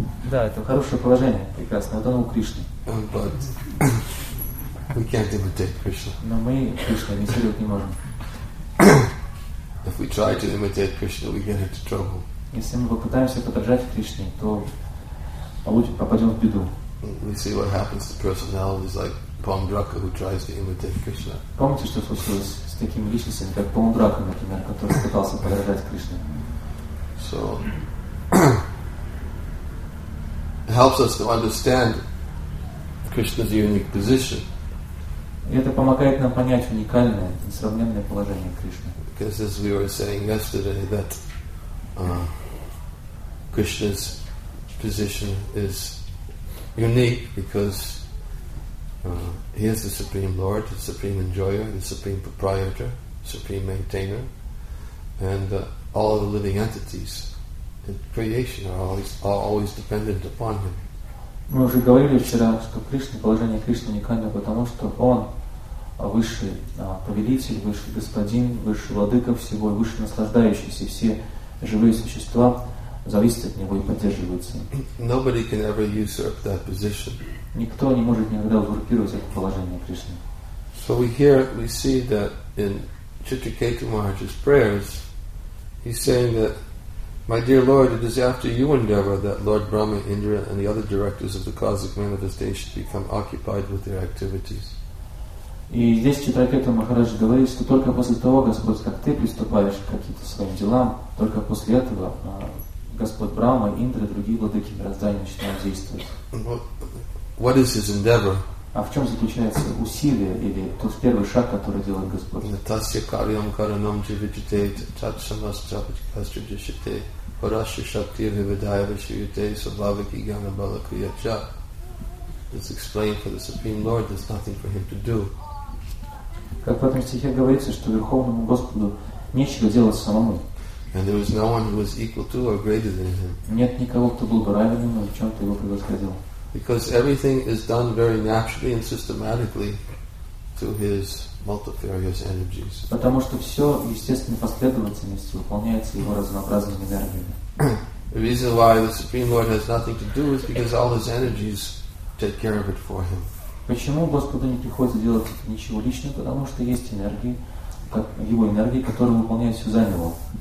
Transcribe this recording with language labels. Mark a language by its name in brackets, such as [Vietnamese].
[Russian] Да, это хорошее положение, прекрасное. Вот оно у Кришны. [English] But we can't imitate Krishna. [Russian] Но мы Кришну имитировать не можем. [English] If we try to imitate Krishna, we get into trouble. [Russian] Если мы попытаемся подражать Кришне, то попадем в беду. [English] We see what happens to personalities like Pondraka, who tries to imitate Krishna. [Russian] Помните, что случилось с такими личностями, как Пондрака, например, который пытался подражать Кришне? [English] So helps us to understand Krishna's unique position. [Russian] Это помогает нам понять уникальное, несравненное положение Кришны. [English] Because as we were saying yesterday, that Krishna's position is unique because He is the Supreme Lord, the Supreme Enjoyer, the Supreme Proprietor, Supreme Maintainer, and all the living entities in creation are always dependent upon Him. [Russian] Мы уже говорили вчера, что Кришна, положение Кришны уникально, потому что Он высший повелитель, высший господин, высший владыка всего, высший наслаждающийся. Все живые существа зависят от Него и поддерживаются. [English] Nobody can ever usurp that position. [Russian] Никто не может никогда узурпировать это положение Кришны. [English] So we hear, we see that in Chitraketu Maharaj's prayers, he's saying that My dear Lord, it is after you endeavor that Lord Brahma, Indra, and the other directors of the cosmic manifestation become occupied with their activities. [Russian] И здесь Читракета Махарадж говорит, что только после того, Господь, как ты приступаешь к каким-то своим делам, только после этого Господь Брахма, Индра, другие владыки мироздания начинают действовать. [English] What is his endeavor? [Russian] А в чем заключается усилие или тот первый шаг, который делает Господь? [Sanskrit] Тасья карьям каранам дживиджите тат самас чапачкастю джишите хораши шаптир вивидаева шиюте сабхавики гана бала крияча. [English] It's explained for the Supreme Lord, there's nothing for him to do. [Russian] Как в этом стихе говорится, что Верховному Господу нечего делать самому. [English] And there was no one who was equal to or greater than him. [Russian] Нет никого, кто был бы равен ему или чем-то его превосходил. [English] Because everything is done very naturally and systematically to his multifarious energies. [Russian] Потому что все в естественной последовательности выполняется его разнообразными энергиями. [English] The reason why the Supreme Lord has nothing to do is because all his energies take care of it for him. [Russian] Почему Господу не приходится делать ничего лично? Потому что есть энергии, как его энергии, которые выполняют все за него.